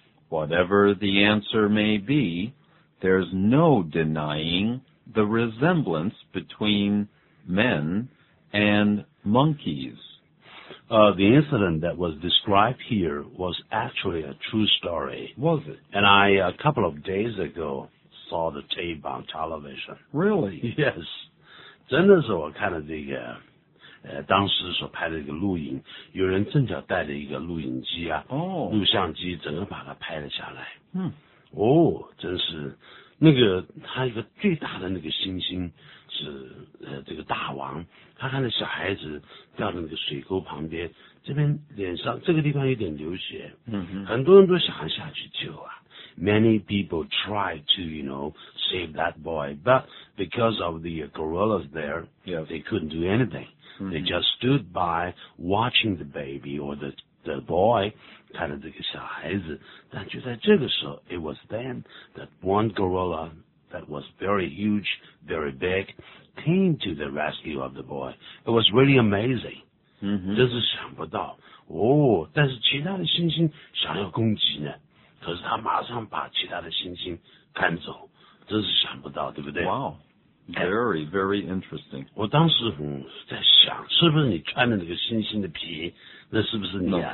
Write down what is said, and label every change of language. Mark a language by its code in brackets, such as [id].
[en] Whatever the answer may be, there's no denying the resemblance between menand monkeys. The incident that was described here was actually a true story. Was it? And I, a couple of days ago, saw the tape on television. Really? Yes. [zh] 真的是我看了这个当时所拍的一个录影，有人正巧带着一个录影机啊、录像机整个把它拍了下来。真是那个他一个最大的那个猩猩是这个大王，他看着小孩子掉到那个水沟旁边，这边脸上这个地方有点流血，很多人都想要下去救啊。 [en] Many people tried to, you know, save that boy, but because of the gorillas there, yes, they couldn't do anything. Mm-hmm. They just stood by watching the baby or the boy, [zh] 看着这个小孩子。但就在这个时候 [en] it was then that one gorilla that was very huge, very big, came to the rescue of the boy. It was really amazing. [zh] 真是想不到。但是其他的猩猩想要攻击呢，可是他马上把其他的猩猩赶走，真是想不到，对不对？ [en] Wow, very, very interesting. [zh] 我当时在想，是不是你穿的那个猩猩的皮，那是不是你啊？